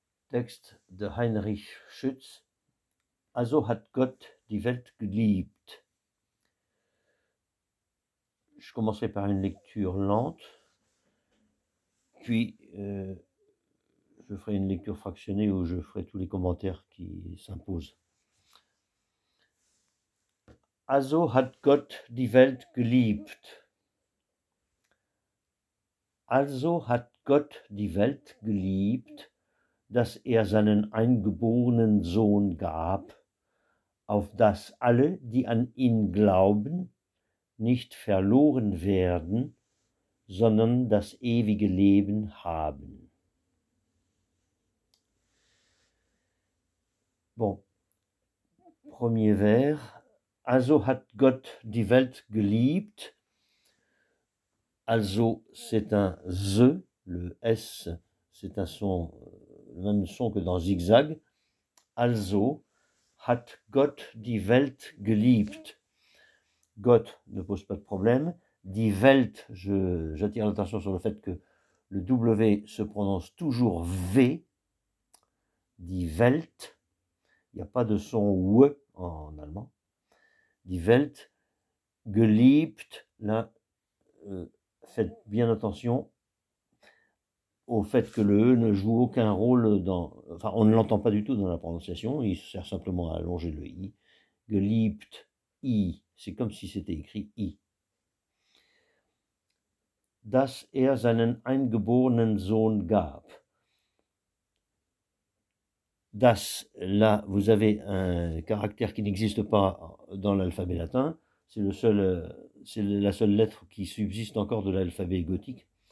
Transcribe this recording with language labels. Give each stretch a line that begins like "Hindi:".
German: Text der Heinrich Schütz, also hat Gott die Welt geliebt.
French: Je commencerai par une lecture lente, puis je ferai une lecture fractionnée où je ferai tous les commentaires qui s'imposent.
German: Also hat Gott die Welt geliebt. Also hat Gott die Welt geliebt, dass er seinen eingeborenen Sohn gab, auf dass alle, die an ihn glauben, nicht verloren werden, sondern das ewige Leben haben.
French: Bon, premier vers.
German: Also hat Gott die Welt geliebt.
French: Also, c'est un the, le S, c'est un son, le même son que dans zigzag.
German: Also hat Gott die Welt geliebt.
French: Gott ne pose pas de problème. Die Welt, j'attire l'attention sur le fait que le W se prononce toujours V. Die Welt, il n'y a pas de son W en allemand. Die Welt, geliebt, là, faites bien attention au fait que le E ne joue aucun rôle dans. Enfin, on ne l'entend pas du tout dans la prononciation, il sert simplement à allonger le I. Geliebt, I. C'est comme si c'était écrit I.
German: Dass er seinen eingeborenen Sohn gab.
French: Das, là, vous avez un caractère qui n'existe pas dans l'alphabet latin. C'est la seule lettre qui subsiste encore de l'alphabet gothique.